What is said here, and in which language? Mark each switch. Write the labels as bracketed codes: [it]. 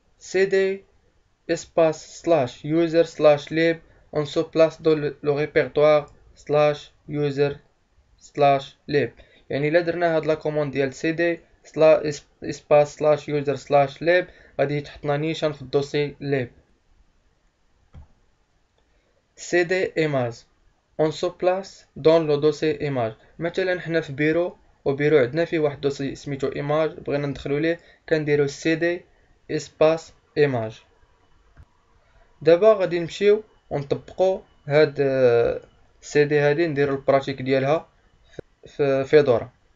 [fr] cd espace slash user slash lib on se place dans le répertoire slash user slash lib. [ar] يعني لدرنا درنا هاد لا كوموند ديال cd slash espace slash user slash lib غادي تحطنا نيشان في الدوسي lib. [fr] cd image on se place dans le dossier image. [ar] مثلا حنا في بيرو وبيرو عندنا فيه واحد الدوسي سميتو image بغينا ندخلو ليه، كنديرو cd espace image. دابا غادي نمشيو ونطبقو هاد سي دي هادي، نديرو البراتيك ديالها في فيدورا.